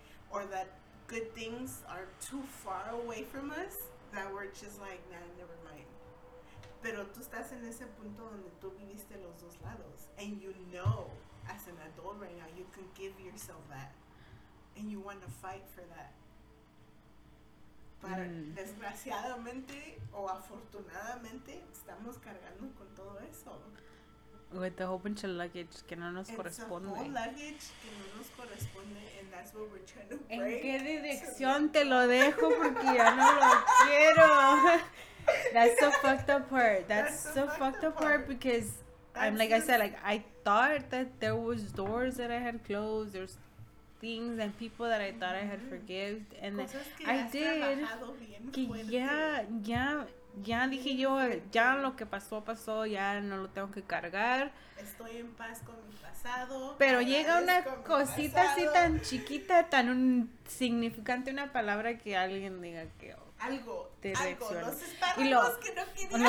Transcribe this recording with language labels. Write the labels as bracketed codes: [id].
[en] Or that good things are too far away from us, that we're just like, nah, never mind. [es] Pero tú estás en ese punto donde tú viviste los dos lados. [en] And you know, as an adult right now, you can give yourself that. And you want to fight for that. [es] Pero desgraciadamente o afortunadamente estamos cargando con todo eso. [en] With the whole bunch of luggage [es] que no nos corresponde. [en] It's a whole luggage [es] que no nos corresponde, [en] and that's what we're trying to break. [es] ¿En qué dirección te lo dejo? Porque ya no lo quiero. [en] That's the fucked up part. That's the fucked up part because I'm like I said, like I thought that there was doors that I had closed. There's things and people that I thought I had forgiven, and then I did. [es] Ya dije yo, ya lo que pasó, pasó, ya no lo tengo que cargar. Estoy en paz con mi pasado. Pero llega una cosita así tan chiquita, tan significante, una palabra que alguien diga que... Oh, algo, te algo, reacciona. Los espárragos y lo, que no quería.